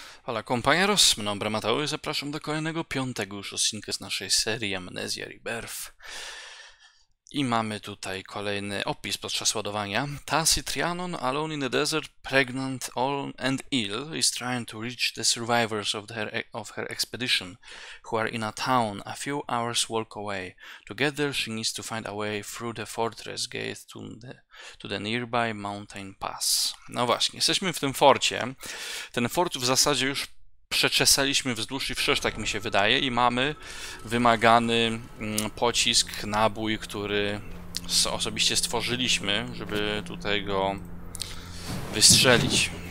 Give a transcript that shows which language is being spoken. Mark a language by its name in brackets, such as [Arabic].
[Spanish] Hola compañeros, mi nombre es Mateo y [Polish] zapraszam do kolejnego piątego już odcinka z naszej serii Amnesia Rebirth. I mamy tutaj kolejny opis podczas ładowania. [English] Tassi Trianon, alone in the desert, pregnant and ill, is trying to reach the survivors of her expedition, who are in a town a few hours walk away. To get there, she needs to find a way through the fortress gate to the nearby mountain pass. [Polish] No właśnie, jesteśmy w tym forcie. Ten fort w zasadzie już przeczesaliśmy wzdłuż i wszerz, tak mi się wydaje, i mamy wymagany pocisk, nabój, który osobiście stworzyliśmy, żeby tutaj go wystrzelić.